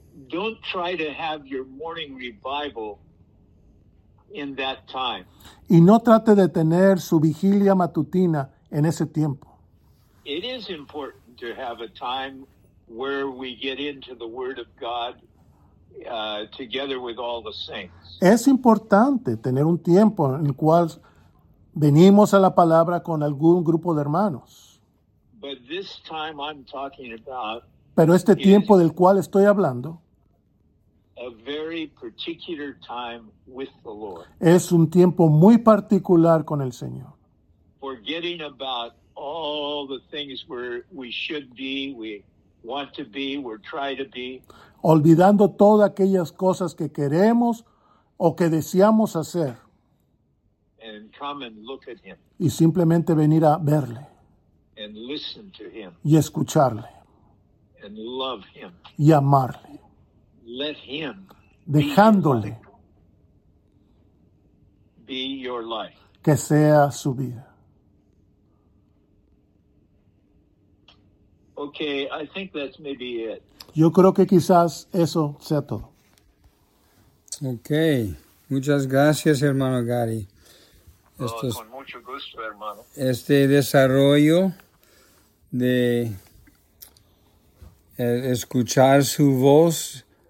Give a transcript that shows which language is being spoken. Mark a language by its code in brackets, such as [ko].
[en] Don't try to have your morning revival in that time. [es] Y no trate de tener su vigilia matutina en ese tiempo. [en] It is important to have a time where we get into the Word of God together with all the saints. [es] Es importante tener un tiempo en el cual venimos a la palabra con algún grupo de hermanos. [en] But this time I'm talking about. [es] Pero este tiempo del cual estoy hablando. [en] A very particular time with the Lord. [es] Es un tiempo muy particular con el Señor. [en] Forgetting about all the things where we should be, we want to be, we try to be. [es] Olvidando todas aquellas cosas que queremos o que deseamos hacer. [en] And come and look at him. [es] Y simplemente venir a verle. [en] And listen to him. [es] Y escucharle. [en] And love him. [es] Y amarle. [en] Let him [es] dejándole [en] be your life. [es] Que sea su vida. [en] Okay, I think that's maybe it. [es] Yo creo que quizás eso sea todo. Okay, muchas gracias, hermano Gary. Con mucho gusto, hermano. Este desarrollo de escuchar su voz.